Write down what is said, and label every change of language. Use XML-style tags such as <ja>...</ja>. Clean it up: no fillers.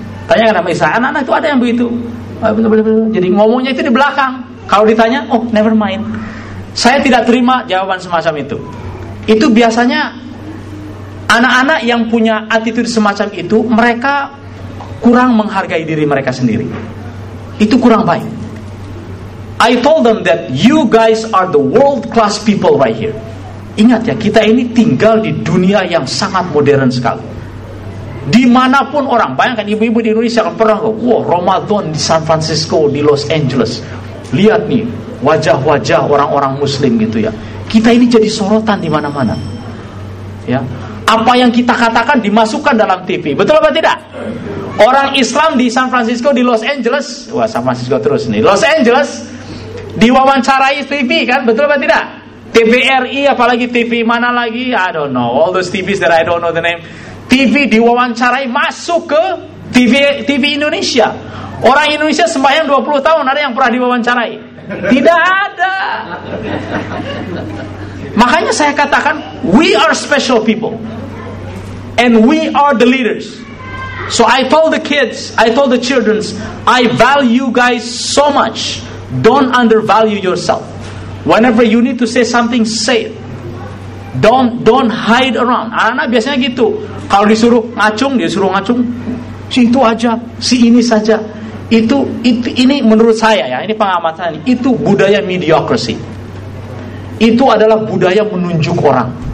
<id>Tanya kan sama istri, anak-anak itu ada yang begitu. Jadi ngomongnya itu di belakang. Kalau ditanya,</id> <en>oh never mind.</en> <id>Saya tidak terima jawaban semacam itu. Itu biasanya anak-anak yang punya attitude semacam itu, mereka kurang menghargai diri mereka sendiri. Itu kurang baik.</id> <en>I told them that you guys are the world class people right here.</en> <id>Ingat ya, kita ini tinggal di dunia yang sangat modern sekali. Dimanapun orang, bayangkan ibu-ibu di Indonesia kan pernah, wow, Ramadan di San Francisco, di Los Angeles, lihat nih wajah-wajah orang-orang Muslim gitu ya. Kita ini jadi sorotan di mana-mana. Ya, apa yang kita katakan dimasukkan dalam TV, betul apa tidak? Orang Islam di San Francisco, di Los Angeles, wah San Francisco terus nih, Los Angeles diwawancarai TV kan, betul apa tidak? TVRI, apalagi TV mana lagi?</id> <en>I don't know all those TVs that I don't know the name.</en> <id>TV diwawancarai masuk ke TV Indonesia. Orang Indonesia sembahyang 20 tahun, ada yang pernah diwawancarai? Tidak ada. Makanya saya katakan,</id> <en>we are special people. and we are the leaders. So I told the kids, I told the children, I value you guys so much. Don't undervalue yourself. Whenever you need to say something, say it. Don't hide around.</en> <id>Anak-anak biasanya gitu. Kalau disuruh ngacung, dia suruh ngacung. Si itu aja, si ini saja. Itu ini menurut saya ya, ini pengamatan saya ini, itu budaya mediocrity. Itu adalah budaya menunjuk orang.</id>